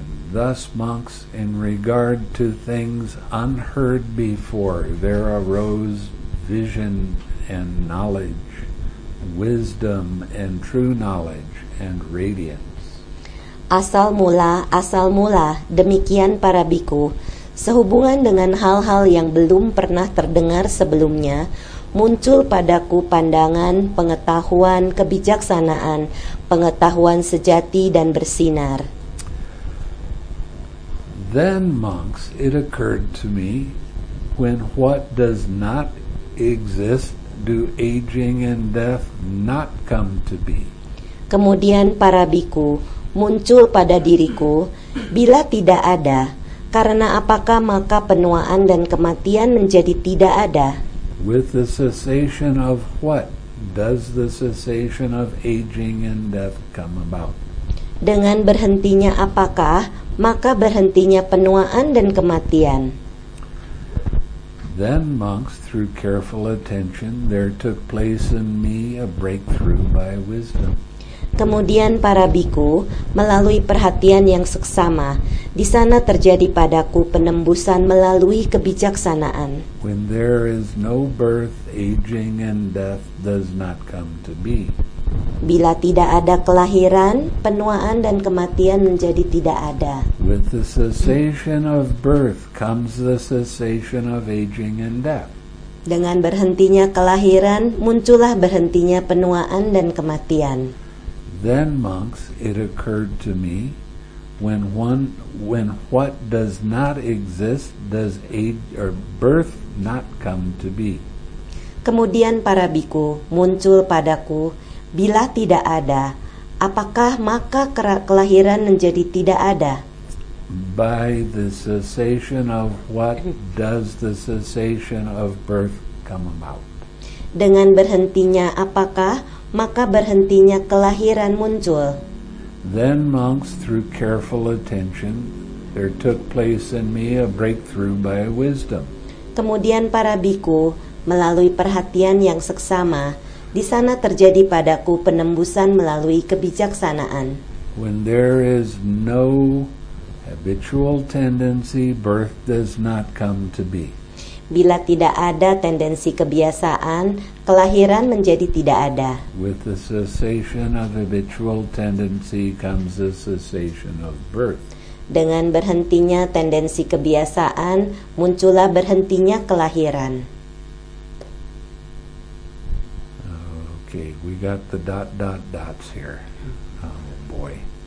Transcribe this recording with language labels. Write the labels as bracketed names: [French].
[English] Thus, monks, in regard to things unheard before, there arose vision and knowledge, wisdom and true knowledge and radiance. [Indonesian] Asal mula, demikian para bhikkhu, sehubungan dengan hal-hal yang belum pernah terdengar sebelumnya, muncul padaku pandangan, pengetahuan, kebijaksanaan, pengetahuan sejati dan bersinar. [English] Then, monks, it occurred to me, when what does not exist, do aging and death not come to be? [Indonesian] Kemudian para bhikkhu, muncul pada diriku, bila tidak ada, karena apakah maka penuaan dan kematian menjadi tidak ada? [English] With the cessation of what does the cessation of aging and death come about? [Indonesian] Dengan berhentinya apakah maka berhentinya penuaan dan kematian? [English] Then, monks, through careful attention, there took place in me a breakthrough by wisdom. [Indonesian] Kemudian para bhikkhu, melalui perhatian yang seksama, di sana terjadi padaku penembusan melalui kebijaksanaan. [English] When there is no birth, aging and death does not come to be. [Indonesian] Bila tidak ada kelahiran, penuaan dan kematian menjadi tidak ada. [English] With the cessation of birth comes the cessation of aging and death. [Indonesian] Dengan berhentinya kelahiran, muncullah berhentinya penuaan dan kematian. [English] Then, monks, it occurred to me, when what does not exist, does age or birth not come to be? [Indonesian] Kemudian para bhikkhu muncul padaku, bila tidak ada, apakah maka kelahiran menjadi tidak ada? [English] By the cessation of what does the cessation of birth come about? [Indonesian] Dengan berhentinya apakah maka berhentinya kelahiran muncul. [English] Then, monks, through careful attention, there took place in me a breakthrough by wisdom. [Indonesian] Kemudian para bhikkhu, melalui perhatian yang seksama, di sana terjadi padaku penembusan melalui kebijaksanaan. [English] When there is no habitual tendency, birth does not come to be. [Indonesian] Bila tidak ada tendensi kebiasaan, kelahiran menjadi tidak ada. [English] With the cessation of habitual tendency comes the cessation of birth. [Indonesian] Dengan berhentinya tendensi kebiasaan, muncullah berhentinya kelahiran. [English] Okay, we got the dot dot dots here. Oh boy.